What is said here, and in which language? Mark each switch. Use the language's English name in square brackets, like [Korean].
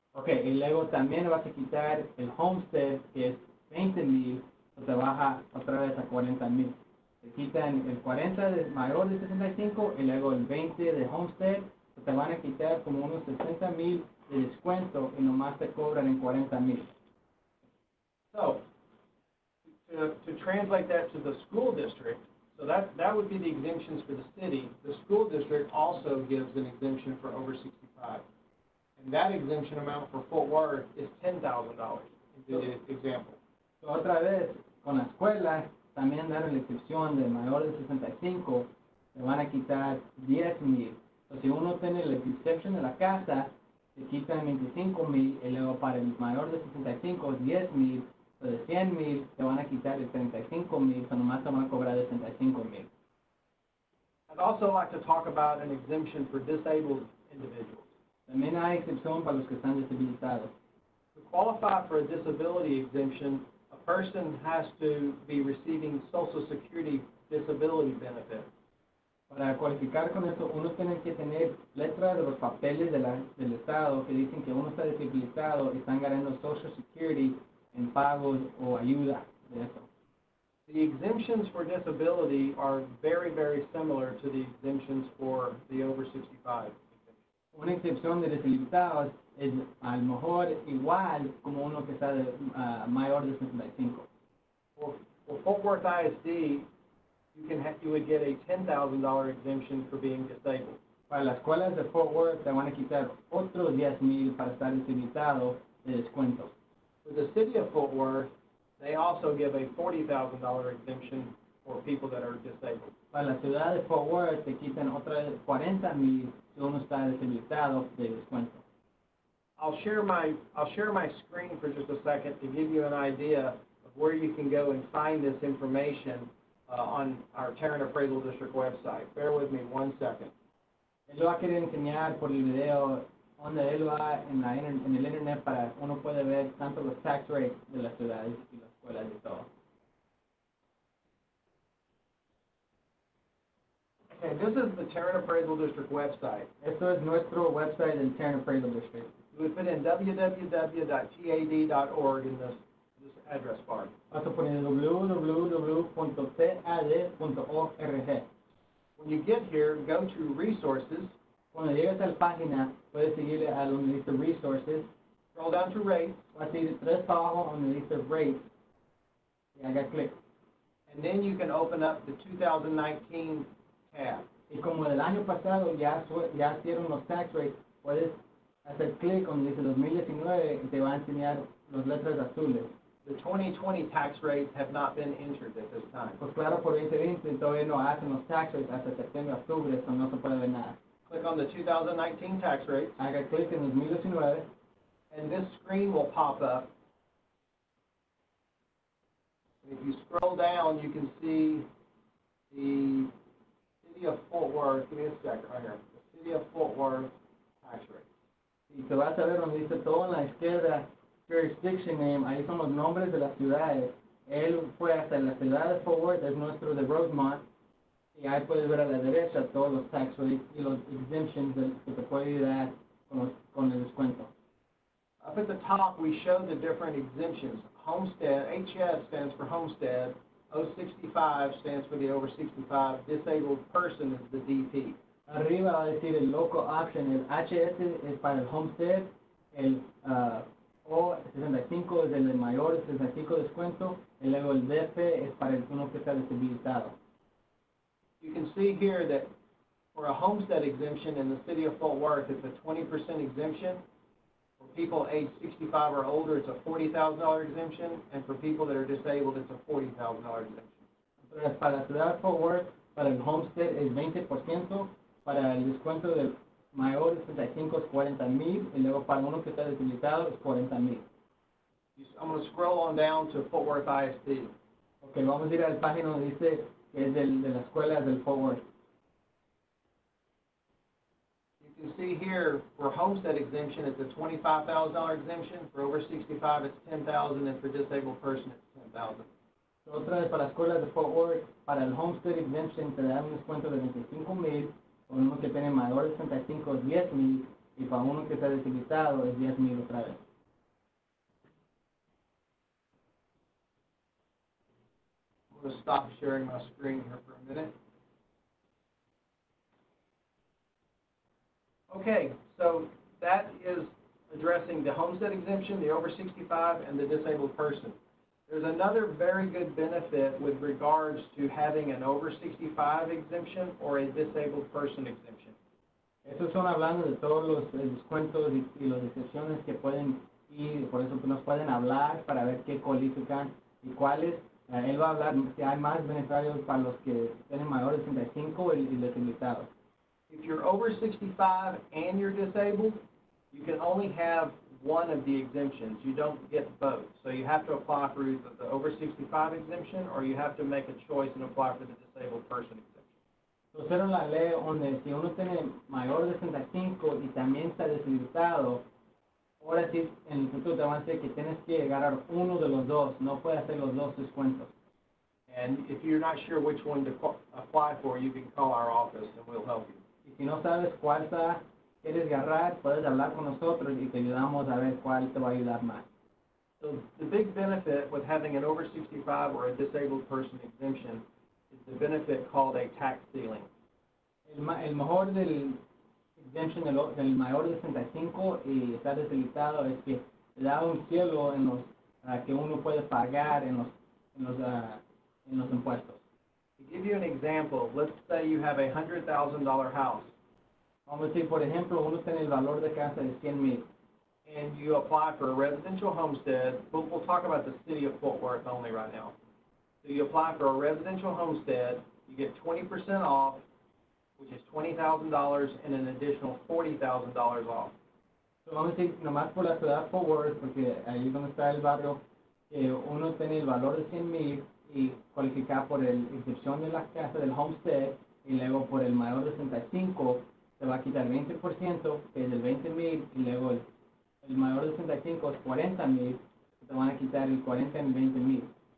[Spanish] Okay, y luego también vas a quitar el homestead que es 20,000, o te baja otra vez a 40,000. Te quitan el 40 de mayor de 65 y luego el 20 de homestead, o te van a quitar como unos 60,000 de descuento y nomás te cobran en 40,000. [English] So, to translate that to the school district, so that would be the exemptions for the city. The school district also gives an exemption for over 65. And that exemption amount for Fort Worth is $10,000, in the example. [Spanish] So, otra vez, con la escuela, también dan la excepción de mayor de 65, te van a quitar 10,000. So, si uno tiene la excepción de la casa, te quitan 25,000, y luego para el mayor de 65, 10,000. So de 100,000 te van a quitar de 35,000, so nomás te van a cobrar de 35,000. [English] I'd also like to talk about an exemption for disabled individuals. [Spanish] También hay excepción para los que están deshabilitados. [English] To qualify for a disability exemption, a person has to be receiving Social Security disability benefit. [Spanish] Para cualificar con esto, uno tiene que tener letra de los papeles del estado que dicen que uno está deshabilitado y están ganando Social Security en pagos o ayuda de eso. [English] The exemptions for disability are very, very similar to the exemptions for the over 65. [Spanish] Una excepción de deshabilitados es a lo mejor igual como uno que está mayor de 65. [English] For Fort Worth ISD, you would get a $10,000 exemption for being disabled. [Spanish] Para las escuelas de Fort Worth, te van a quitar otros 10,000 para estar deshabilitado de descuento. [English] For the City of Fort Worth, they also give a $40,000 exemption for people that are disabled. [Spanish] Para la ciudad de Fort Worth, te quitan otra vez 40,000 si uno está deshabilitado de descuento. [English] I'll share my screen for just a second to give you an idea of where you can go and find this information on our Tarrant Appraisal District website. Bear with me one second. [Spanish] Yo quería enseñar por el video donde él va en el internet para uno puede ver tanto los tax rates de las ciudades y las escuelas y todo. [English] Okay, this is the Tarrant Appraisal District website. [Spanish] Esto es nuestro website en Tarrant Appraisal District. [English] You would put in www.tad.org in this address bar. [Spanish] Vas a poner www.tad.org. [English] When you get here, go to Resources. [Spanish] Cuando llegas a la página, puedes seguirle a donde dice Resources. [English] Scroll down to Rates. [Spanish] Vas a ir tres abajo donde dice Rates. Y haga clic. [English] And then you can open up the 2019 tab. [Spanish] Y como el año pasado ya hicieron los tax rates, puedes hacer clic donde dice 2019 y te va a enseñar las letras azules. [English] The 2020 tax rates have not been entered at this time. [Spanish] Pues claro, por 2020 todavía no hacen los taxes hasta septiembre, octubre, eso no se puede ver nada. [English] Click on the 2019 tax rates. [Spanish] Haga clic en 2019. [English] And this screen will pop up. If you scroll down, you can see the City of Fort Worth, give me a sec, right here, the City of Fort Worth tax rate. [Spanish] Y te vas a ver donde dice todo en la izquierda, jurisdiction name, ahí son los nombres de las ciudades. Él fue hasta la ciudad de Fort Worth, es nuestro de Rosemont, y ahí puedes ver a la derecha todos los tax rates y los exemptions que te puede dar con el descuento. [English] Up at the top, we show the different exemptions. Homestead, HS stands for homestead, 065 stands for the over 65, disabled person is the DP. [Spanish] Arriba va a decir el local option, el HS es para el homestead, el O65 es el mayor, 65 descuento, y luego el DP es para el uno que está deshabilitado. [English] You can see here that for a homestead exemption in the City of Fort Worth, it's a 20% exemption. For people age 65 or older, it's a $40,000 exemption, and for people that are disabled, it's a $40,000 exemption. [Spanish] Entonces, para la ciudad de Fort Worth, para el homestead es 20%, para el descuento del mayor de 65 es 40,000, y luego para uno que está deshabilitado es 40,000. [English] I'm going to scroll on down to Fort Worth ISD. [Spanish] Ok, vamos a ir al página donde dice que es de la escuela del Fort Worth. [English] You see here for homestead exemption it's a $25,000 exemption, for over 65 it's $10,000, and for disabled person it's $10,000. [Spanish] Otra vez para escuelas de Fort Worth, para el homestead exemption te dan un descuento de 25,000, para uno que tiene mayor de 65 es 10,000, y para uno que está deshabilitado es 10,000 otra vez. [English] I'm going to stop sharing my screen here for a minute. Okay, so that is addressing the homestead exemption, the over 65, and the disabled person. There's another very good benefit with regards to having an over 65 exemption or a disabled person exemption. [Spanish] Eso son hablando de todos los descuentos y las excepciones que pueden ir, por eso nos pueden hablar para ver qué califican y cuáles. Él va a hablar si hay más beneficios para los que tienen mayores de 65 y los invitados. [English] If you're over 65 and you're disabled, you can only have one of the exemptions. You don't get both. So you have to apply for either the over 65 exemption or you have to make a choice and apply for the disabled person exemption. [Spanish] Pusieron la ley donde si uno tiene mayor de 65 y también está deshabilitado, ahora sí en el futuro te van a decir que tienes que agarrar uno de los dos. No puedes hacer los dos descuentos. [English] And if you're not sure which one to apply for, you can call our office and we'll help you. [Spanish] Y si no sabes cuál está, quieres agarrar, puedes hablar con nosotros y te ayudamos a ver cuál te va a ayudar más. [English] So the big benefit with having an over 65 or a disabled person exemption is the benefit called a tax ceiling. [Spanish] El mejor del exemption del mayor de 65 y está deshabilitado es que le da un cielo en los que uno puede pagar en los impuestos. [English] To give you an example, let's say you have a $100,000 house. [Spanish] Vamos a decir, por ejemplo, uno tiene el valor de casa de 100,000. [English] And you apply for a residential homestead, but we'll talk about the City of Fort Worth only right now. So you apply for a residential homestead, you get 20% off, which is $20,000, and an additional $40,000 off. [Spanish] So vamos a decir, nomás por la ciudad de Fort Worth, porque ahí donde está el barrio, que uno tiene el valor de 100,000, y cualificar por el excepción de la casa del homestead y luego por el mayor de 65 se va a quitar 20%, que es el 20,000, y luego el mayor de 65 es 40,000, se te van a quitar el 40 en 20,000.